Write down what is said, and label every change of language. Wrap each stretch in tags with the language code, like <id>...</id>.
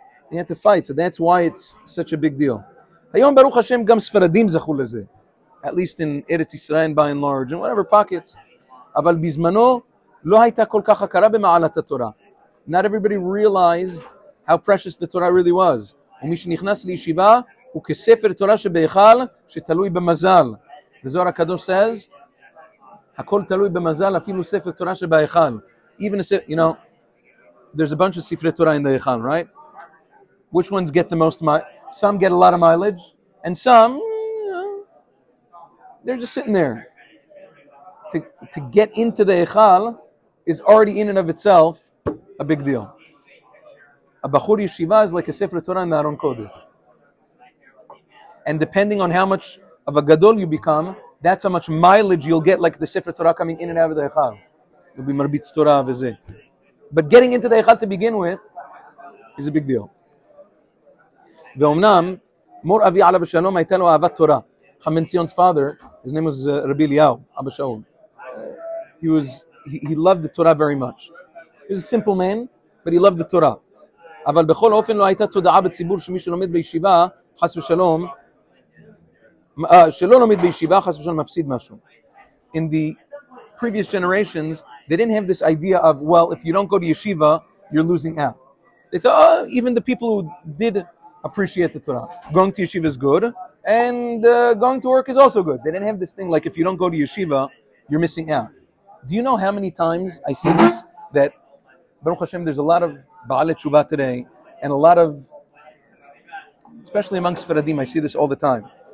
<en>He had to fight. So that's why it's such a big deal.</en> <he>Hayom Baruch Hashem gam Sfaradim zachu leze.</he> <en>At least in Eretz Yisrael, by and large, in whatever pockets.</en> <he>Aval bizmano, lo hayta kol kach hakara b'ma'alat haTorah.</he> <en>Not everybody realized how precious the Torah really was.</en> <he>ומי שנכנס לישיבה הוא כספר תורה שבהיכל שתלוי במזל. וזוהר הקדוש says, הכל תלוי במזל, אפילו ספר תורה שבהיכל.</he> <en>Even if, you know, there's a bunch of</en> <he>ספרי תורה</he> <en>in the היכל, right? Which ones get the most mileage? Some get a lot of mileage, and some, you know, they're just sitting there. to get into the Echal is already in and of itself a big deal. A Bachur Yeshiva is like a Sefer Torah in the Aron Kodesh. And depending on how much of a Gadol you become, that's how much mileage you'll get, like the Sefer Torah coming in and out of the Echal. It'll be Marbitz Torah, v'zeh. But getting into the Echal to begin with is a big deal. Ve'omnam,</en> <he>Mor Avi Alav Shalom,</he> <en>I tell you, Avat Torah. Chamin Tzion's father, his name was Rabbi Eliyahu, Abba Shaul. He loved the Torah very much. He was a simple man, but he loved the Torah.</en> <he>אבל בכל אופן לא הייתה תודעה בציבור שמי שלומד בישיבה, חס ושלום, שלא לומד בישיבה, חס ושלום מפסיד משהו.</he> <en>In the previous generations, they didn't have this idea of, well, if you don't go to yeshiva, you're losing out. They thought, oh, even the people who did appreciate the Torah, going to yeshiva is good, and going to work is also good. They didn't have this thing like, if you don't go to yeshiva, you're missing out. Do you know how many times I see this, that Baruch Hashem, there's a lot of Ba'alei Tshuva today, and a lot of, especially amongst Sfaradim, I see this all the time.</en>